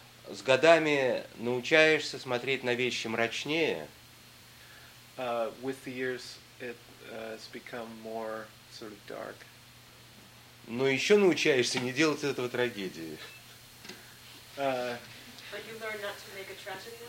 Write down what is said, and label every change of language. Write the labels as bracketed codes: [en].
[ru] С годами научаешься смотреть на вещи мрачнее. [en] With the years it has become more sort of dark. [ru] Но еще научаешься не делать этого трагедии. [en] But you learn not to make a tragedy.